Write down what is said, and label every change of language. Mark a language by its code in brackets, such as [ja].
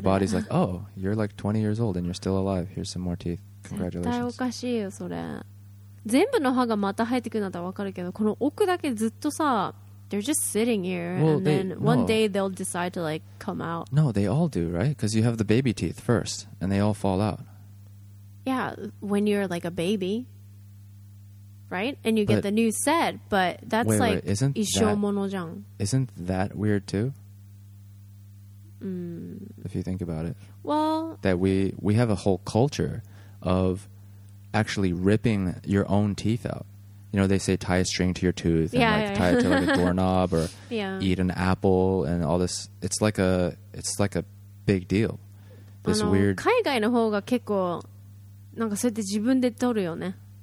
[en] Your body's like, oh, you're like 20 years old and you're still alive. Here's some more teeth. Congratulations. [ja] 絶対おかしいよ、それ。全部の歯がまた生えてくるんだったらわかるけど、この奥だけずっとさ、 [en] They're just sitting here, well, and then one day they'll decide to, like, come out. No, they all do, right? Because you have the baby teeth first, and they all fall out. Yeah, when you're, like, a baby, right? And you get the new set, but that's, isn't Isho Monojang. Isn't that weird, too? Mm. If you think about it. Well... That we have a whole culture of actually ripping your own teeth out. You know, they say tie a string to your tooth and tie it to, like, a doorknob or eat an apple and all this. It's like a big deal. This weird... [ja] 海外の方が結構なんかそうやって自分で取るよね。